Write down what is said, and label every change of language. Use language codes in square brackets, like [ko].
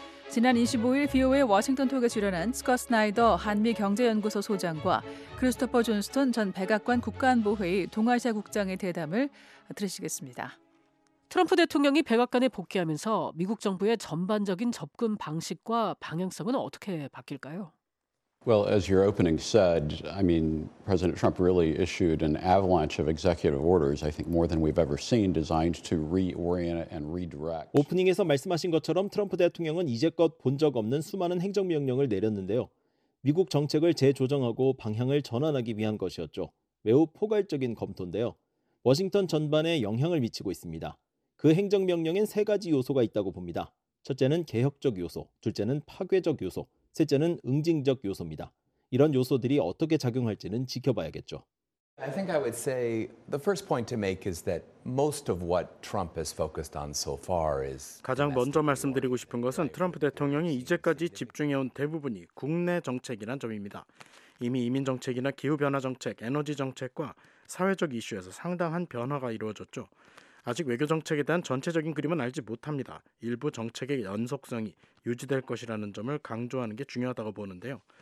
[ko] 지난 25일 VOA 워싱턴 톡에 출연한 스콧 스나이더 한미경제연구소 소장과 크리스토퍼 존스톤 전 백악관 국가안보회의 동아시아 국장의 대담을 들으시겠습니다. 트럼프 대통령이 백악관에 복귀하면서 미국 정부의 전반적인 접근 방식과 방향성은 어떻게 바뀔까요? [en] Well, as your opening said, I mean, President Trump really issued an avalanche of executive orders, I think more than we've ever seen, designed to reorient and redirect. [ko] 오프닝에서 말씀하신 것처럼 트럼프 대통령은 이제껏 본 적 없는 수많은 행정명령을 내렸는데요. 미국 정책을 재조정하고 방향을 전환하기 위한 것이었죠. 매우 포괄적인 검토인데요. 워싱턴 전반에 영향을 미치고 있습니다. 그 행정명령엔 세 가지 요소가 있다고 봅니다. 첫째는 개혁적 요소, 둘째는 파괴적 요소, 셋째는 응징적 요소입니다. 이런 요소들이 어떻게 작용할지는 지켜봐야겠죠. [en] I think I would say the first point to make is that most of what Trump has focused on so far is [ko] 가장 먼저 말씀드리고 싶은 것은 트럼프 대통령이 이제까지 집중해 온 대부분이 국내 정책이란 점입니다. 이미 이민 정책이나 기후 변화 정책, 에너지 정책과 사회적 이슈에서 상당한 변화가 이루어졌죠. 아직 외교 정책에 대한 전체적인 그림은 알지 못합니다. 일부 정책의 연속성이 유지될 것이라는 점을 강조하는 게 중요하다고 보는데요.